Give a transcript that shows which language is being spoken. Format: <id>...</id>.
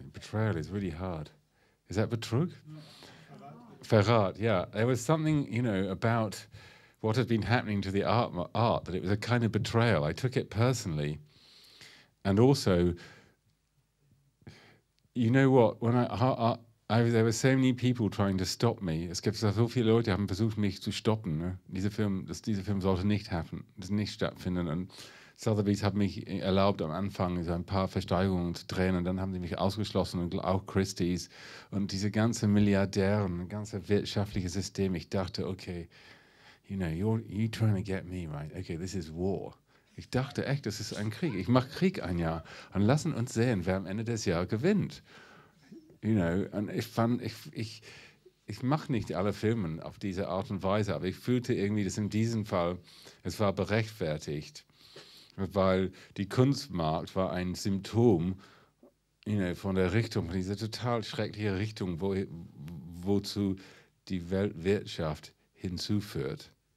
<en>Betrayal is really hard. Is that</en> <de>Betrug? Verrat,</de> <en>yeah. There was something, you know, about what had been happening to the art, that it was a kind of betrayal. I took it personally. And also, you know what, when there were so many people trying to stop me.</en> <de>Es gibt so viele Leute, die haben versucht, mich zu stoppen. Ne? Dieser Film sollte nicht happen, nicht stattfinden. Und Sotheby's hat mich erlaubt, am Anfang so ein paar Versteigerungen zu drehen. Und dann haben sie mich ausgeschlossen und auch Christie's. Und diese ganze Milliardären, das ganze wirtschaftliche System. Ich dachte,</de> <en>okay, you know, you're trying to get me, right? Okay, this is war.</en> <de>Ich dachte echt, das ist ein Krieg. Ich mache Krieg ein Jahr. Und lassen uns sehen, wer am Ende des Jahres gewinnt.</de> <en>You know,</en> <de>und ich mache nicht alle Filme auf diese Art und Weise, aber ich fühlte irgendwie, dass in diesem Fall, es war berechtfertigt, weil die Kunstmarkt war ein Symptom,</de> <en>you know,</en> <de>von der Richtung, von dieser total schrecklichen Richtung, wozu die Weltwirtschaft hinzuführt.</de>